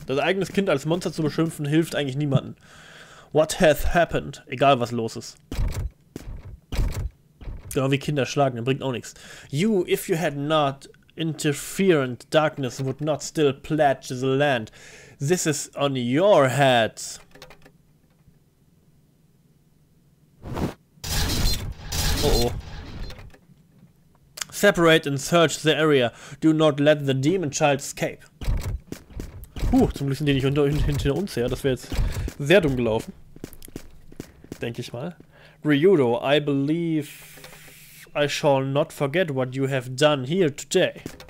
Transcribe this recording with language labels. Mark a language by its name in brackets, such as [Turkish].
[German] Das eigene Kind als Monster zu beschimpfen, hilft eigentlich niemanden. [English] What has happened? [German] Egal, was los ist. Genau wie Kinder schlagen, dann bringt auch nichts. [English] You, if you had not interfered, darkness would not still pledge the land. This is on your head. Oh oh. Separate and search the area. Do not let the demon child escape. [German] Puh, zum Glück sind die nicht hinter uns her. Das wäre jetzt sehr dumm gelaufen. Denke ich mal. [English] Ryudo, I believe I shall not forget what you have done here today.